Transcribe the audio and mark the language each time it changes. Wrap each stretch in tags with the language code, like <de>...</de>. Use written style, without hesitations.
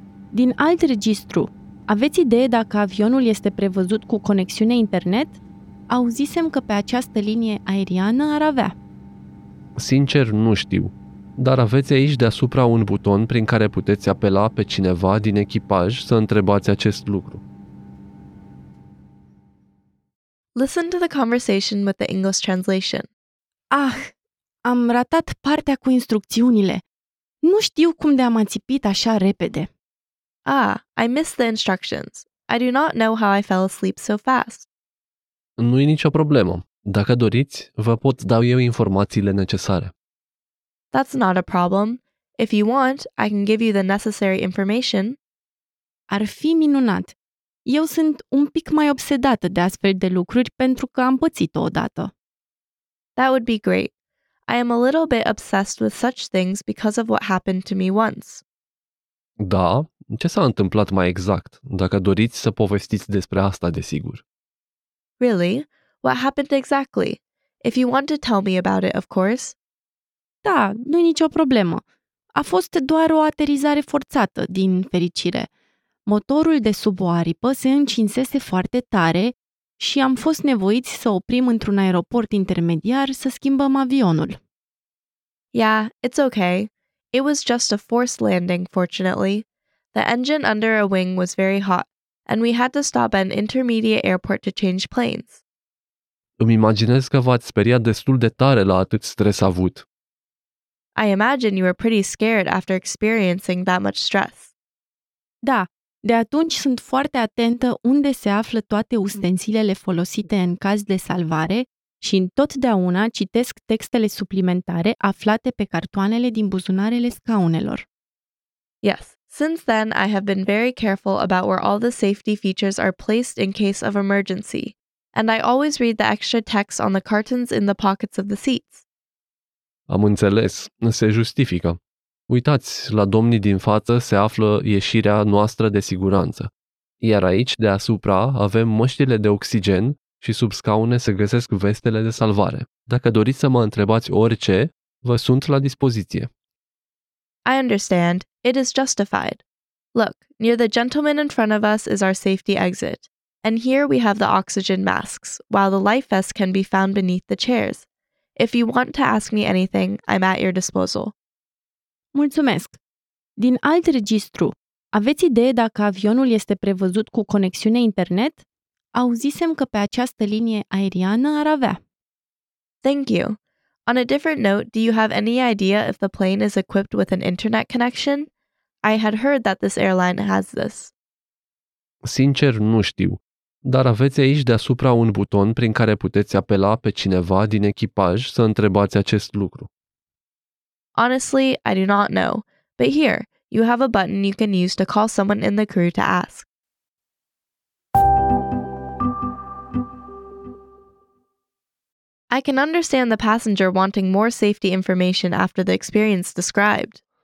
<ro>Din alt registru, aveți idee dacă avionul este prevăzut cu conexiune internet? Auzisem că pe această linie aeriană ar avea. Sincer, nu știu. Dar aveți aici deasupra un buton prin care puteți apela pe cineva din echipaj să întrebați acest lucru.</ro> <en>Listen to the conversation with the English translation.</en> <ro>Ah, am ratat partea cu instrucțiunile. Nu știu cum de am ațipit așa repede.</ro> <en>Ah, I missed the instructions. I do not know how I fell asleep so fast.</en> <ro>Nu-i nicio problemă. Dacă doriți, vă pot dau eu informațiile necesare.</ro> <en>That's not a problem. If you want, I can give you the necessary information.</en> <ro>Ar fi minunat. Eu sunt un pic mai obsedată de astfel de lucruri pentru că am pățit-o odată.</ro> <en>That would be great. I am a little bit obsessed with such things because of what happened to me once.</en> <ro>Da, ce s-a întâmplat mai exact? Dacă doriți să povestiți despre asta, desigur.</ro> <en>Really? What happened exactly? If you want to tell me about it, of course.</en> <ro>Da, nu-i nicio problemă. A fost doar o aterizare forțată, din fericire. Motorul de sub o aripă se încinsese foarte tare și am fost nevoiți să oprim într-un aeroport intermediar să schimbăm avionul.</ro> <en>Yeah, it's okay. It was just a forced landing, fortunately. The engine under a wing was very hot, and we had to stop at an intermediate airport to change planes.</en> <ro>Îmi imaginez că v-ați speriat destul de tare la atât stres avut.</ro> <en>I imagine you were pretty scared after experiencing that much stress.</en> <ro>Da. De atunci sunt foarte atentă unde se află toate ustensilele folosite în caz de salvare și întotdeauna citesc textele suplimentare aflate pe cartoanele din buzunarele scaunelor.</ro> <en>Yes, since then I have been very careful about where all the safety features are placed in case of emergency, and I always read the extra text on the cartons in the pockets of the seats.</en> <ro>Am înțeles, se justifică. Uitați, la domnii din față se află ieșirea noastră de siguranță. Iar aici, deasupra, avem măștile de oxigen și sub scaune se găsesc vestele de salvare. Dacă doriți să mă întrebați orice, vă sunt la dispoziție.</ro> <en>I understand. It is justified. Look, near the gentleman in front of us is our safety exit. And here we have the oxygen masks, while the life vest can be found beneath the chairs. If you want to ask me anything, I'm at your disposal.</en> <ro>Mulțumesc! Din alt registru, aveți idee dacă avionul este prevăzut cu conexiune internet? Auzisem că pe această linie aeriană ar avea.</ro> <en>Thank you. On a different note, do you have any idea if the plane is equipped with an internet connection? I had heard that this airline has this.</en> <ro>Sincer, nu știu. dar aveți aici deasupra un buton prin care puteți apela pe cineva din echipaj să întrebați acest lucru.</ro> <en>Honestly, I do not know, but here, you have a button you can use to call someone in the crew to ask. I can understand the passenger wanting more safety information after the experience described.</en>